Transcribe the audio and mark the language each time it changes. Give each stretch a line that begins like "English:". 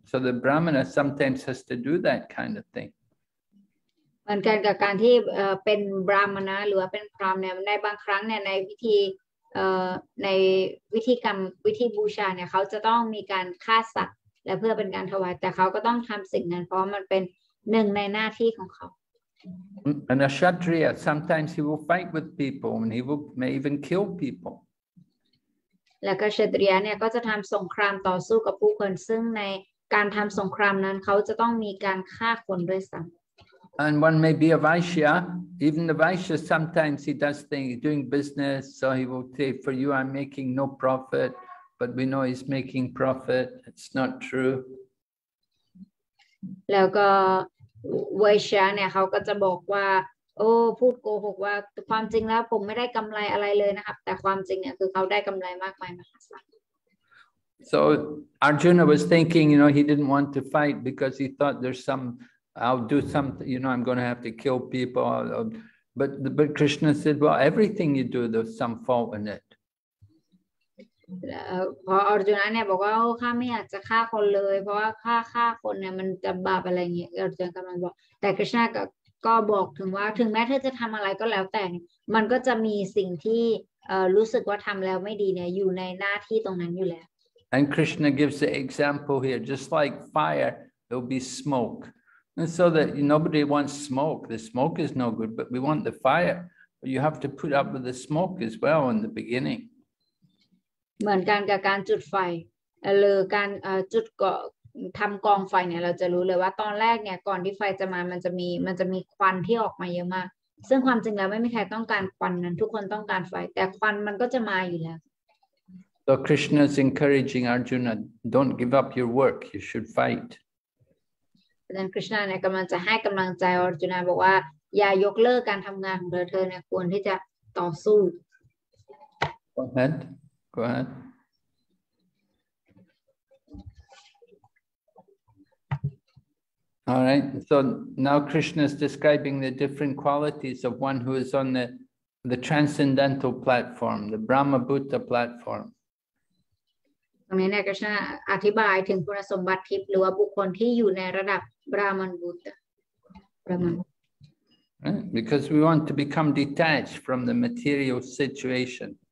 English: So the brahmana sometimes has to do that kind of thing.
Thai: เหมือนกันกับการที่เป็นบราหมณะหรือว่าเป็นพรามเนี่ยในบางครั้งเนี่ยในวิธีในวิธีกรรมวิธีบูชาเนี่ยเขาจะต้องมีการฆ่าสัตว์และเพื่อเป็นการถวายแต่เขาก็ต้องทำสิ่งนั้นเพราะมันเป็นหนึ่งในหน้าที่ของเขา
English: And a Kshatriya, sometimes he will fight with people and he will may even kill people.
Thai: แล้วก็เชตรียเนี่ยก็จะทำสงครามต่อสู้กับผู้คนซึ่งในการทำสงครามนั้นเขาจะต้องมีการฆ่าคนด้วยซ้ำ
English: And one may be a Vaishya, even the Vaishya sometimes he does things, doing business, so he will say, for you I'm making no profit, but we know he's making profit, it's not true.
Thai: แล้วก็ไวชาเนี่ยเขาก็จะบอกว่า โอ้พูดโกหกว่าความจริงแล้วผมไม่ได้กำไรอะไรเลยนะครับแต่ความจริงเนี่ยคือเขาได้กำไรมากมายมหาศาล
English: So Arjuna was thinking, you know, he didn't want to fight because he thought there's some, I'll do something, you know, I'm going to have to kill people. But Krishna said, well, everything you do, there's some fault in it.
Thai: พออาร์จุนะเนี่ยบอกว่าข้าไม่อยากจะฆ่าคนเลยเพราะว่าฆ่าคนเนี่ยมันจะบาปอะไรเงี้ยอาร์จุนะกำลังบอกแต่คริชนาก็บอกถึงว่าถึงแม้เธอจะทําอะไรก็แล้วแต่มันก็จะมีสิ่งที่รู้สึกว่าทําแล้วไม่ดีเนี่ยอยู่ในหน้าที่ตรงนั้นอยู่แล้ว
English: And Krishna gives the example here, just like fire, there will be smoke. And so that nobody wants smoke. The smoke is no good, but we want the fire. You have to put up with the smoke as well in the beginning.
Thai: เหมือนกันกับการจุดไฟหรือการจุดก่อทํากองไฟเนี่ยเราจะรู้เลยว่าตอนแรกเนี่ยก่อนที่ไฟจะมามันจะมีควันที่ออกมาเยอะมากซึ่งความจริงแล้วไม่มีใครต้องการควันนั้นทุกคนต้องการไฟแต่ควันมันก็จะมาอยู่แล้ว
English: So Krishna is encouraging Arjuna don't give up your work you should fight
Thai: ดังนั้นคริชนาเนี่ยกำลังจะให้กำลังใจอาร์จุนาบอกว่าอย่ายกเลิกการทำงานของเธอเนี่ยควรที่จะต่อสู้
English: Go ahead. Go ahead. All right. So now Krishna is describing the different qualities of one who is on the transcendental platform, the Brahma Bhuta platform.
Thai: ตรงนี้เนี่ยคริชนาอธิบายถึงคุณสมบัติทิพย์หรือว่าบุคคลที่อยู่ในระดับบราห์มณ์บุตร
English: Because we want to become detached from the material situation.